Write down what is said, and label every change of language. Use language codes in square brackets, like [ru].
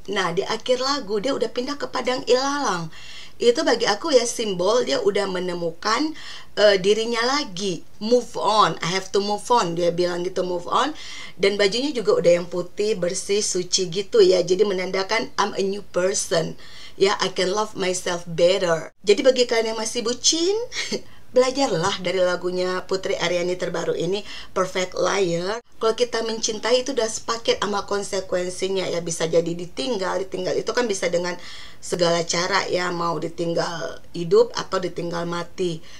[id] Nah, di akhir lagu dia udah pindah ke Padang Ilalang. Itu bagi aku ya simbol dia udah menemukan dirinya lagi. [en] Move on, I have to move on, [id] dia bilang gitu, move on. Dan bajunya juga udah yang putih, bersih, suci gitu ya. Jadi menandakan [en] I'm a new person. Ya, yeah, I can love myself better. [id] Jadi bagi kalian yang masih bucin, belajarlah dari lagunya Putri Aryani terbaru ini, Perfect Liar. Kalau kita mencintai itu udah sepaket sama konsekuensinya ya, bisa jadi ditinggal. Ditinggal itu kan bisa dengan segala cara ya, mau ditinggal hidup atau ditinggal mati.